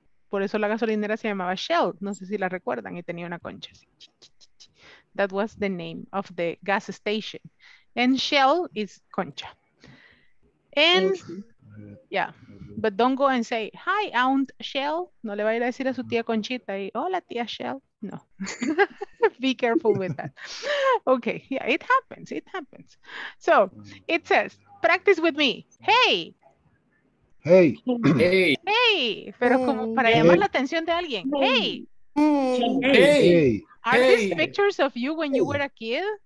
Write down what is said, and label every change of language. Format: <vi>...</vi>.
<es>Por eso la gasolinera se llamaba Shell. No sé si la recuerdan. Y tenía una concha.</es> <en>That was the name of the gas station. And Shell is concha. And yeah. But don't go and say, hi, Aunt Shell.</en> <es>No le vaya a decir a su tía Conchita. Y, hola, tía Shell. No,</es> <en>be careful with that. Okay, yeah, it happens, it happens. So it says, practice with me. Hey. Hey. Hey. Hey.</en> <es>Pero como para llamar la atención de alguien.</es> <en>Hey. Hey. Hey. Hey. Are these pictures of you when you were a kid?</en>